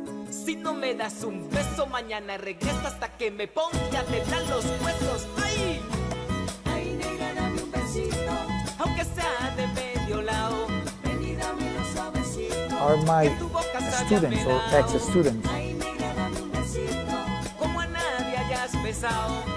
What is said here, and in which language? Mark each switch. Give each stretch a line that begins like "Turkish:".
Spanish: Si no me das un beso, mañana regreso hasta que me ponga a temblar los huesos. ¡Ay! ¡Ay, negra, dame un besito! Aunque sea de medio lado. Ven y dame un suavecito.
English: Are my students or ex-students?
Spanish: ¡Ay, negra, dame un besito! Como a nadie hayas besado.